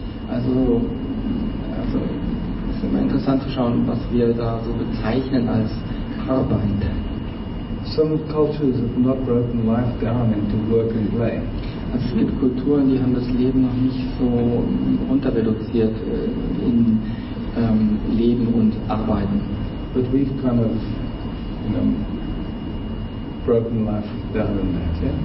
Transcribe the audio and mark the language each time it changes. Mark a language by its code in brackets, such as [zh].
[de] Also es ist immer interessant zu schauen, was wir da so bezeichnen als Arbeit. [en] Some cultures have not broken life down into work and play. [de] Also es gibt Kulturen, die haben das Leben noch nicht so runterreduziert in Leben und Arbeiten. [en] But we've kind of, you know, broken life down in that, yeah?